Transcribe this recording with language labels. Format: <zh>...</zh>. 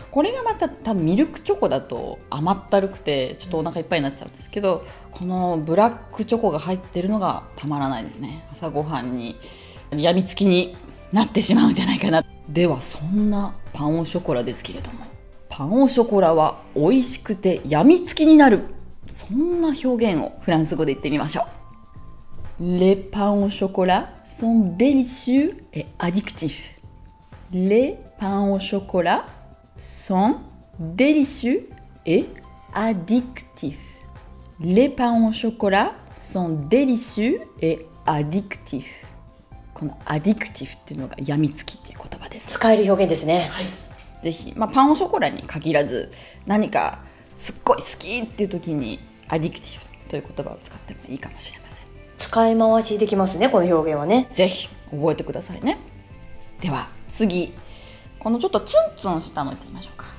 <ja>これがまた多分ミルクチョコだと甘ったるくてちょっとお腹いっぱいになっちゃうんですけど、このブラックチョコが入ってるのがたまらないですね。朝ごはんにやみつきになってしまうんじゃないかな。ではそんなパンオショコラですけれども、パンオショコラは美味しくてやみつきになる、そんな表現をフランス語で言ってみましょう。</ja> <fr>Les pains au chocolat sont délicieux et addictifs. Les pains au chocolat sont délicieux et addictifs. Les pains au chocolat sont délicieux et addictifs.</fr> <ja>この addictif っていうのが病みつきっていう言葉です。使える表現ですね。はい。ぜひ、まあパンオショコラに限らず、何かすっごい好きっていう時に addictif という言葉を使ってもいいかもしれない。使い回しできますね、この表現はね。ぜひ覚えてくださいね。では次、このちょっとツンツンしたのいってみましょうか。</ja>